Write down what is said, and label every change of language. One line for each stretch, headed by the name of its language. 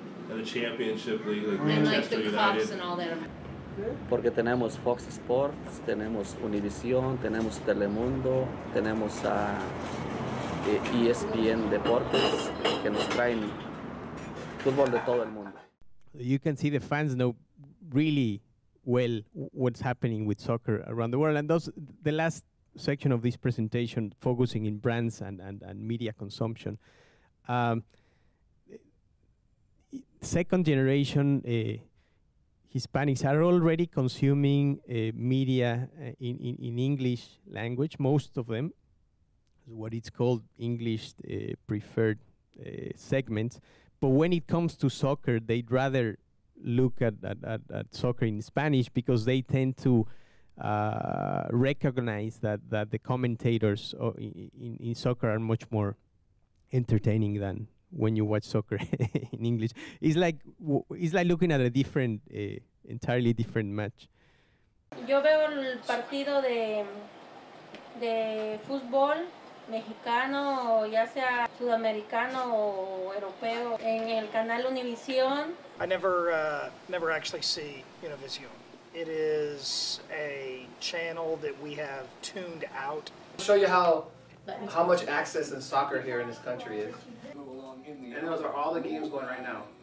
English: And the championship league, like Manchester like United. Cups and all that.
Spanish: Porque tenemos Fox Sports, tenemos Univision, tenemos Telemundo, tenemos a ESPN Deportes, que nos traen fútbol de todo el mundo.
English: You can see the fans know really well what's happening with soccer around the world. And those, the last section of this presentation, focusing in brands and media consumption. Second generation Hispanics are already consuming media in English language, most of them, what it's called English preferred segments. But when it comes to soccer, they'd rather look at soccer in Spanish because they tend to recognize that the commentators in soccer are much more entertaining than when you watch soccer in English. It's like looking at a different entirely different match.
Spanish: Yo veo el partido de fútbol mexicano, ya sea sudamericano o europeo, en el canal Univision.
English: I never actually see Univision. It is a channel that we have tuned out. I'll show you how much access in soccer here in this country is. And those are all the games going right now.